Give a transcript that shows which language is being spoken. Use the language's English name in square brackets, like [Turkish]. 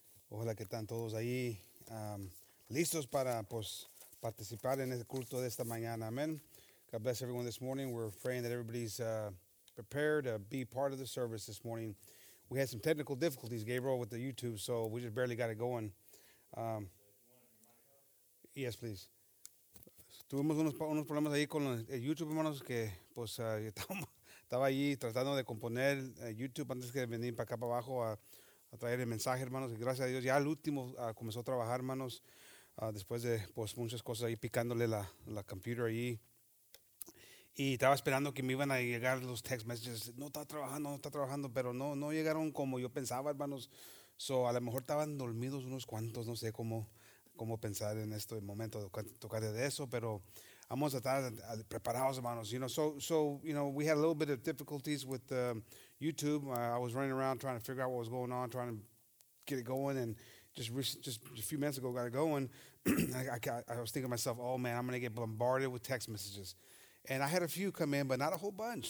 [Spanish] Ojalá que están todos ahí listos para pues participar en el culto de esta mañana. [English] Amen. God bless everyone this morning. We're praying that everybody's prepared to be part of the service this morning. We had some technical difficulties, Gabriel, with the YouTube, so we just barely got it going. Yes, please. [Spanish] Tuvimos unos problemas ahí con el YouTube, hermanos, que pues estaba allí tratando de componer YouTube antes que venir para acá para abajo a traer el mensaje, hermanos. Y gracias a Dios, ya el último comenzó a trabajar, hermanos, después de pues muchas cosas ahí picándole la computer allí. Y estaba esperando que me iban a llegar los text messages. No está trabajando, pero no llegaron como yo pensaba, hermanos. So, a lo mejor estaban dormidos unos cuantos, no sé cómo pensar en esto, el momento de tocar de eso, pero vamos a estar preparados, hermanos. [English] You know, so you know, we had a little bit of difficulties with YouTube. I was running around trying to figure out what was going on, trying to get it going, and just a few minutes ago got it going. I was thinking to myself, oh man, I'm gonna get bombarded with text messages, and I had a few come in, but not a whole bunch.